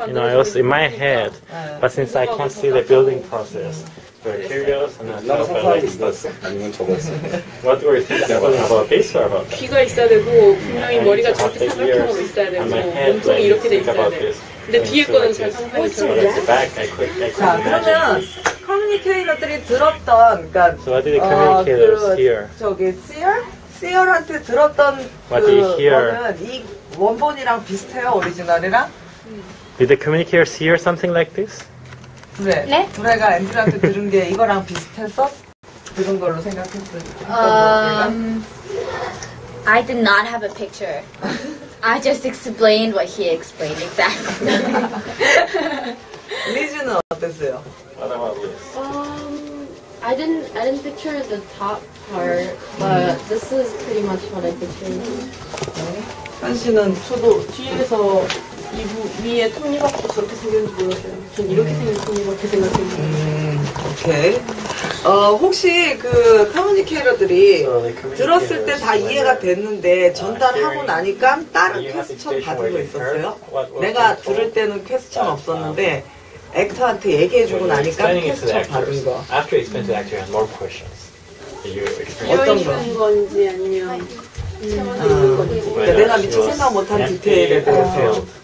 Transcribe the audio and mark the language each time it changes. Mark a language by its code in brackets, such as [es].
[en] You know, it was in my head, but since I can't see the building process, very curious and I thought about like this. What were you thinking about this or about that? [ko] 귀가 있어야 되고 분명히 머리가 저렇게 삼각형으로 있어야 되고 엉덩이 이렇게 돼 있어야 돼. 근데 뒤에 거는 잘 상상했어요. 자, 그러면 커뮤니케이터들이 들었던, 그러니까 [en] so what did the communicators hear? [ko] 저기 seer? 시얼한테 들었던 [en] What [ko] 그 거는 이 원본이랑 비슷해요, 오리지널이랑? [en] Did the communicators hear something like this? [ko] 네. 네? 브레가 앤드류한테 들은 게 이거랑 비슷해서 들은 걸로 생각했어요. [en] I did not have a picture. I just explained what he explained exactly. [ko] 리즈는 어땠어요? [en] What about this? I didn't picture the top part, but this is pretty much what I pictured. [ko] 한 씨는 저도 뒤에서 이부 위에 톱니밖에 저렇게 생겼는지 몰랐어요. 전 이렇게 생긴 톱니밖에 생각했는데. 혹시 그 커뮤니케이터들이 들었을 때 다 이해가 됐는데 전달하고 나니까 다른 퀘스천 받은 거 있었어요? 내가 들을 때는 퀘스천 없었는데. 액터한테 얘기해 주고 나니까 퀘스천 받은 거. [en] After he explained to the actor, he had more questions. [ko] 어떤 건지 아니면 내가 미처 생각 못한 디테일에 대해서